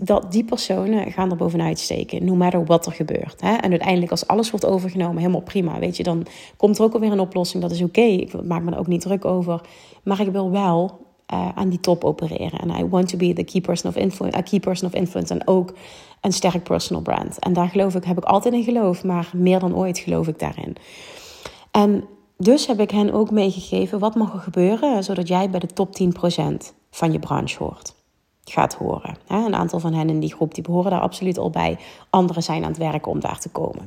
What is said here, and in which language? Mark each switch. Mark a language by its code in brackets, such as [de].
[nl] Die personen gaan er bovenuit steken, [en] no matter what [nl] er gebeurt. Hè? En uiteindelijk als alles wordt overgenomen, helemaal prima. Weet je, dan komt er ook alweer een oplossing, dat is oké. Ik maak me er ook niet druk over. Maar ik wil wel aan die top opereren. [en] En I want to be the key person of influence. [nl] En ook een sterk personal brand. En daar geloof ik, heb ik altijd in geloof, maar meer dan ooit geloof ik daarin. En dus heb ik hen ook meegegeven, wat mag er gebeuren, zodat jij bij de top 10% van je branche hoort. Gaat horen. Een aantal van hen in die groep die behoren daar absoluut al bij. Anderen zijn aan het werken om daar te komen.